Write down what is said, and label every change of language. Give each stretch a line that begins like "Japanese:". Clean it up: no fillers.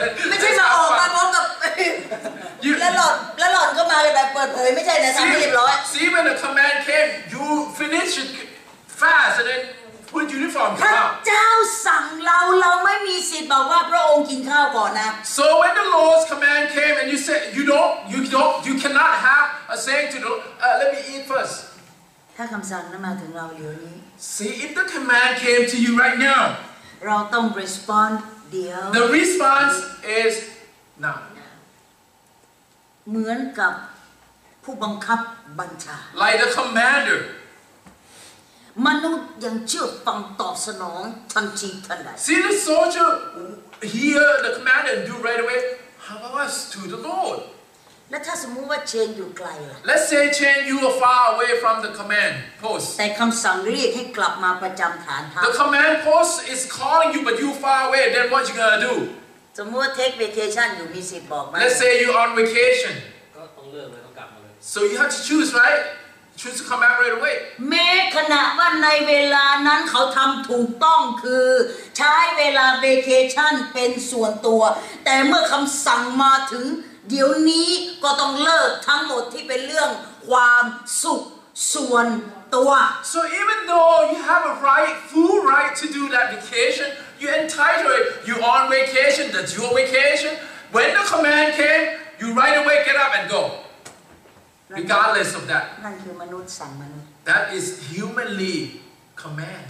Thai: ไม่ใช่มาออกมาพร้อมกับแล้วหล่อนก็มาแบบเปิดเผยไม่ใช่นะทำให้เรียบร้อย
English: See when the command came you finish it fast and then put uniform
Thai: ครับเจ้าสั่งเราไม่มีสิทธิ์บอกว่าพระองค์กินข้าวก่อนนะ
English: So when the Lord's command came and you said you don't you cannot have a saying to let me eat first
Thai: ถ้าคําสั่งนั้นมาถึงเราอยู่นี้
English: See if the command came to you right now
Thai: เราต้อง respond เดี๋ยว
English: The response is now
Thai: เหมือนกับผู้บังคับบัญชา
English: Like the commander
Thai: มนุษย์ยังเชื่อฟังตอบสนองทันทีทันใด
English: See the soldier hear the command and do right away. How about us to the Lord?
Thai: และถ้าสมมุติว่าเชนอยู่ไกลล่ะ
English: Let's say Chen you are far away from the command post.
Thai: แต่คำสั่งเรียกให้กลับมาประจำฐาน
English: ท่า The command post is calling you but you far away. Then what you gonna do?
Thai: สมมุติว่า
English: take vacation
Thai: อยู่มีสิทธิ์บอกไหม
English: Let's say you on vacation.
Thai: ก็ต้องเลือ กเลยต้องกลับมาเลย
English: So you have to choose right? Choose to come out right away.
Thai: แม้ขณะว่าในเวลานั้นเขาทำถูกต้องคือใช้เวลา vacation เป็นส่วนตัวแต่เมื่อคำสั่งมาถึงเดี๋ยวนี้ก็ต้องเลิกทั้งหมดที่เป็นเรื่องความสุขส่วนตัว
English: So even though you have a right, full right to do that vacation, you entitled it. You on vacation, that's your vacation. When the command came, you right away get up and go. Regardless of that, that is humanly command.